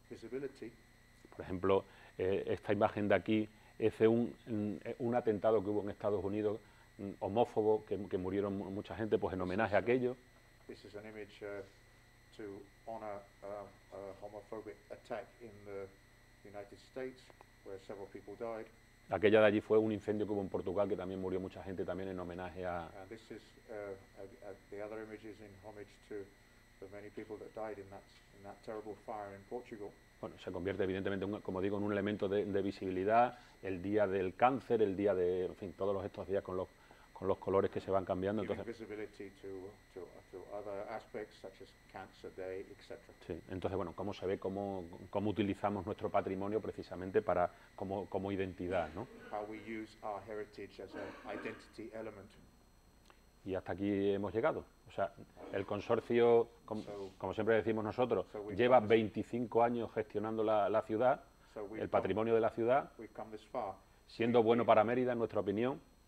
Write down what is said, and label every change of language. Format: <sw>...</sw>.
<es>Por ejemplo, esta imagen de aquí es de un atentado que hubo en Estados Unidos, homófobo, que murieron mucha gente, pues en homenaje a aquello.</es> <en>This is an image to honor a homophobic attack in the United States, where several people died.</en> <es>Aquella de allí fue un incendio que hubo en Portugal, que también murió mucha gente, también en homenaje a...</es> <en>And this is the other image is in homage to the many people that died in that terrible fire in Portugal.</en> <es>Bueno, se convierte evidentemente, como digo, en un elemento de visibilidad, el día del cáncer, el día de, en fin, todos estos días con los colores que se van cambiando. Entonces,</es> <en>visibility to other aspects, such as cancer day, etc.</en> <es>Sí, entonces, bueno, cómo se ve, cómo utilizamos nuestro patrimonio precisamente para como identidad, ¿no?</es> <en>How we use our heritage as an identity element.</en> <es>Y hasta aquí hemos llegado. O sea, el consorcio, como siempre decimos nosotros, lleva 25 años gestionando la ciudad, el patrimonio de la ciudad, siendo bueno para Mérida, en nuestra opinión.</es>